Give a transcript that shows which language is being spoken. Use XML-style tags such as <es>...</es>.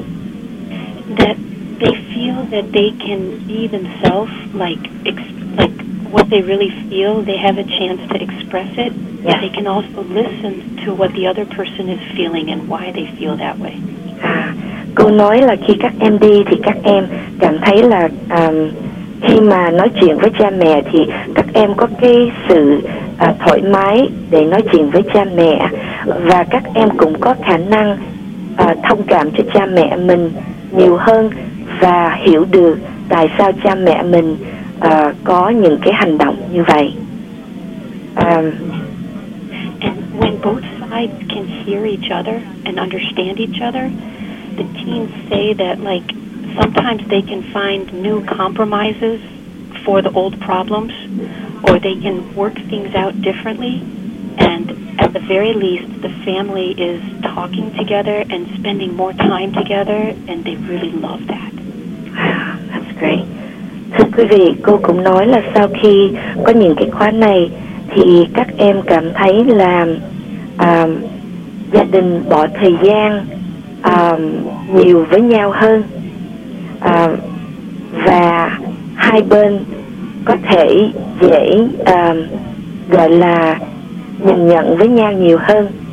<en>That they feel that they can be themselves, like what they really feel, they have a chance to express it. Yeah. They can also listen to what the other person is feeling and why they feel that way.</en> <vi>Cô nói là khi các em đi thì các em cảm thấy là khi mà nói chuyện với cha mẹ thì các em có cái sự thoải mái để nói chuyện với cha mẹ, và các em cũng có khả năng thông cảm cho cha mẹ mình nhiều hơn và hiểu được tại sao cha mẹ mình có những cái hành động như vậy.</vi> <en>And when both sides can hear each other and understand each other, the teens say that like sometimes they can find new compromises for the old problems, or they can work things out differently. And at the very least, the family is talking together and spending more time together, and they really love that. Wow, that's great.</en> <vi>Thưa quý vị, cô cũng nói là sau khi có những cái khóa này thì các em cảm thấy là gia đình bỏ thời gian nhiều với nhau hơn. Và hai bên có thể dễ gọi là nhìn nhận với nhau nhiều hơn.</vi>